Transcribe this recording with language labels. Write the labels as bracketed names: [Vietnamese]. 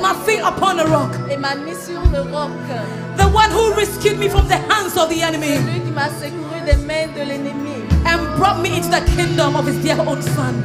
[English] The one who rescued me from the hands of the enemy. [French] Celui qui m'a secouru des mains de l'ennemi. [English] and brought me into the kingdom of his dear own son.